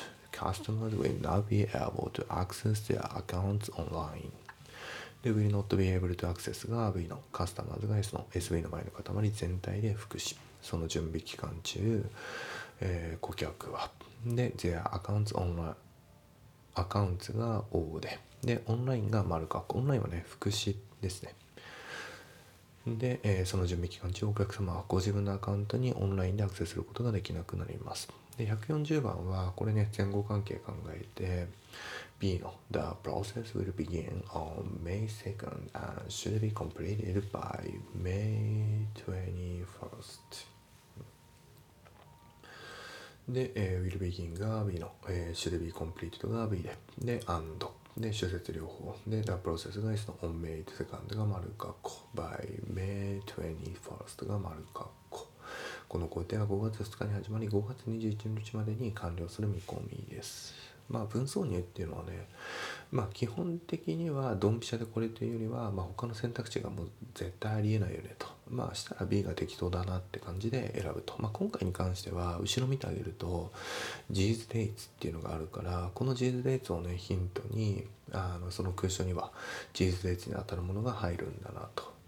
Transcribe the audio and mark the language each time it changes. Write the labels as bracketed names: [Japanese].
[English] customers will not be able to access their accounts online [Japanese] で、will not be able to access が V の、customers が S の、SV の前の塊全体で複し、その準備期間中、顧客は。で、 [English] their accounts online、 [Japanese] アカウントが O で、で、オンラインが丸括弧、オンラインはね、副詞ですね。で、その準備期間中、お客様はご自分のアカウントにオンラインでアクセスすることができなくなります。で、140番は、これね、前後関係考えて、B の [English] The process will begin on May 2nd and should be completed by May 21st [Japanese] で、will begin が B の、should be completed が B で、で、and で、諸説両方で、 [English] The process [Japanese] が S の [English] on May 2nd [Japanese] が丸括弧 [English] by May 21st [Japanese] が丸括弧、この工程は5月2日に始まり5月21日までに完了する見込みです。まあ、文挿入っていうのはね、まあ、基本的にはドンピシャでこれというよりは、まあ、他の選択肢がもう絶対ありえないよねと、まあ、したら B が適当だなって感じで選ぶと、まあ、今回に関しては後ろ見てあげると事実デイツっていうのがあるから、この事実デイツをねヒントに、その空所には事実デイツに当たるものが入るんだなと、